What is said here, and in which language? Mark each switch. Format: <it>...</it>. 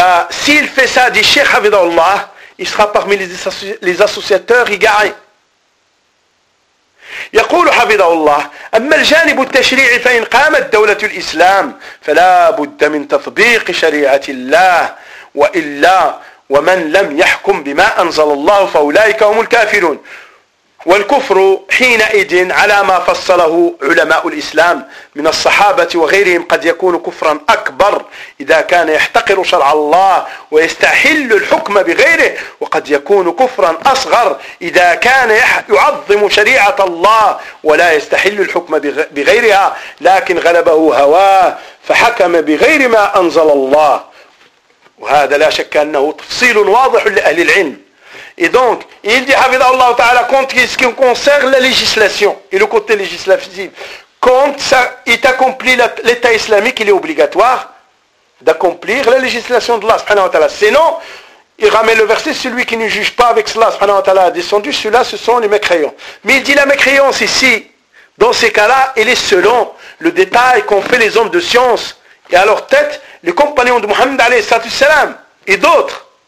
<fr>S'il fait ça, dit Cheikh Havidallah, il sera parmi les associateurs égarés.</fr> <ar>يقول حفظه الله أما الجانب التشريعي فإن قامت دولة الإسلام فلا بد من تطبيق شريعة الله وإلا ومن لم يحكم بما أنزل الله فأولئك هم الكافرون والكفر حينئذ على ما فصله علماء الإسلام من الصحابة وغيرهم قد يكون كفرا أكبر إذا كان يحتقر شرع الله ويستحل الحكم بغيره وقد يكون كفرا أصغر إذا كان يعظم شريعة الله ولا يستحل الحكم بغيرها لكن غلبه هواه فحكم بغير ما أنزل الله وهذا لا شك أنه تفصيل واضح لأهل العلم</ar> <fr>Et donc, il dit, Havidallah Ta'ala, quand ce qui concerne la législation et le côté législatif, quand ça est accompli l'État islamique, il est obligatoire d'accomplir la législation de Allah. Sinon, il ramène le verset, celui qui ne juge pas avec cela, subhanahu wa ta'ala, a descendu, ceux-là, ce sont les mécréants. Mais il dit la mécréance ici, dans ces cas-là, elle est selon le détail qu'ont fait les hommes de science et à leur tête, les compagnons de Mohammed alayhi salatu salam et d'autres.</fr>